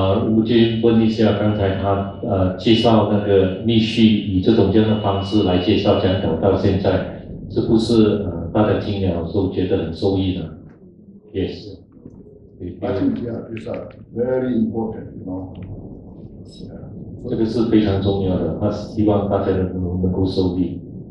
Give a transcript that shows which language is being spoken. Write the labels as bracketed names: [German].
[Chinese] 吴军问一下，刚才他介绍那个密续以这种这样的方式来介绍讲道，到现在是不是大家听了都觉得很受益呢 ？ [English] Yes. I think yeah, it's a very important, you know. [Chinese] 这个是非常重要的，他希望大家能够受益。